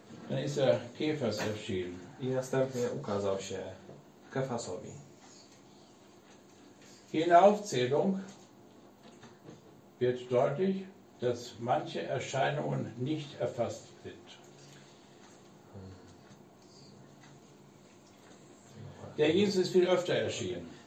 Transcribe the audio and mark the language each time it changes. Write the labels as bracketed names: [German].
[German] Dann ist er Kephas erschienen. [Polish] I następnie ukazał się Kefasowi. [German] Hier in der Aufzählung wird deutlich, dass manche Erscheinungen nicht erfasst sind. Der Jesus ist viel öfter erschienen.